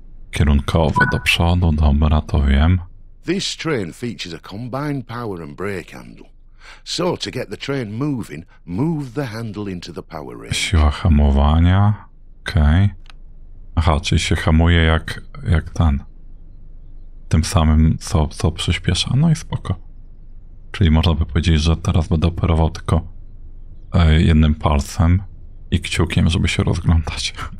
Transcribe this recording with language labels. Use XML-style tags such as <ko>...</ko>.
<pl>Kierunkowy do przodu, dobra, to wiem.</pl> <en>This train features a combined power and brake handle. So to get the train moving, move the handle into the power range.</en> <pl>Siła hamowania. Okej. Okay. Aha, czyli się hamuje jak ten. Tym samym co przyspiesza. No i spoko. Czyli można by powiedzieć, że teraz będę operował tylko jednym palcem i kciukiem, żeby się rozglądać.</pl>